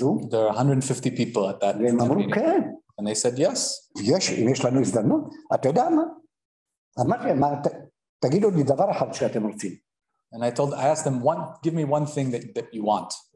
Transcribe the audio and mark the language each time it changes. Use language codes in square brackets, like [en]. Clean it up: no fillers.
[en] There are 150 people at that meeting. And they said yes. Yes, [he] אם יש לנו הזדמנות, אתה יודע מה? אמרתי, תגידו לי דבר אחד שאתם רוצים. [en] And I asked them, give me one thing that you want.